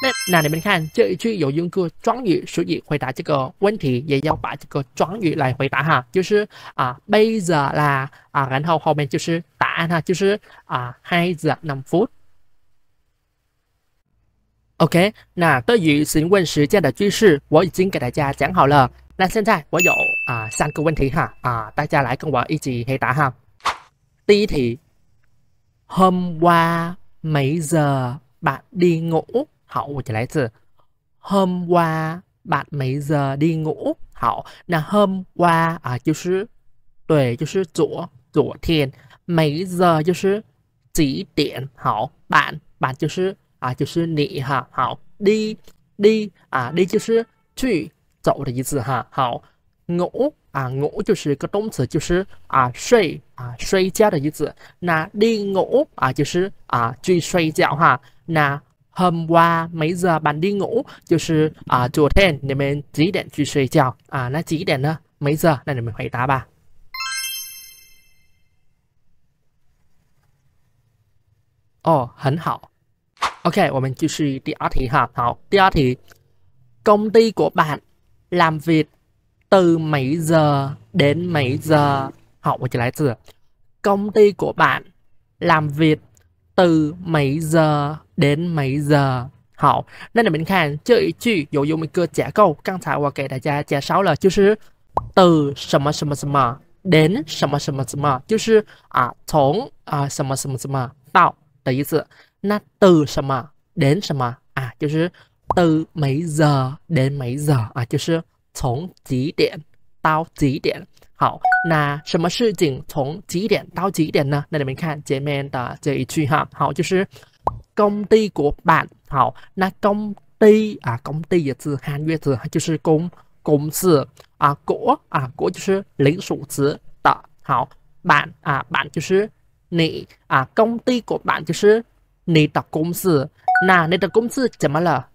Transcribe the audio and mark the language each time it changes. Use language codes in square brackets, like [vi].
[zh] 那你们看这一句有用个状语，所以回答这个问题也要把这个状语来回答哈，就是 [vi] bây giờ là [zh] 然后后面就是答案哈，就是2:05。 OK，那对于询问时间的句式，我已经给大家讲好了。那现在我有3个问题哈，大家来跟我一起回答哈。第一题， [vi] Hôm qua mấy giờ bạn đi ngủ？ [zh] 好，我就来自 [vi] hôm qua bạn mấy giờ đi ngủ？ [zh] 好，那 hôm qua 就是对，就是昨天，mấy giờ 就是几点？好，bạn 就是就是你哈。好，đi 就是去走的意思哈。好，ngủ 就是个动词，就是睡觉的意思。那 đi ngủ 就是去睡觉哈。 [vi] 那 Hôm qua mấy giờ bạn đi ngủ？ [zh] 就是昨天你们几点去睡觉那几点呢？没事，那你们回答吧。哦，很好。OK，我们继续第二题哈。好，第二题， [vi] 工地của bạn làm việc từ mấy giờ đến mấy giờ？ [zh] 好，我就来自工地 [vi] của bạn làm việc từ mấy giờ [zh] đến mấy giờ。好，那你们看这一句有用一个结构，刚才我给大家介绍了，就是từ什么什么什么 đến 什么什么什么，就是从什么什么什么到的意思。那 từ 什么 đến 什么就是 [vi] từ mấy giờ đến mấy giờ [zh] 就是从几点到几点。好，那什么事情从几点到几点呢？那你们看前面的这一句哈，好，就是工地của bạn，好，那工地也是汉语词，就是公司của 就是领属词的，好，bạn 就是你工地của bạn 就是你的公司，那你的公司怎么了？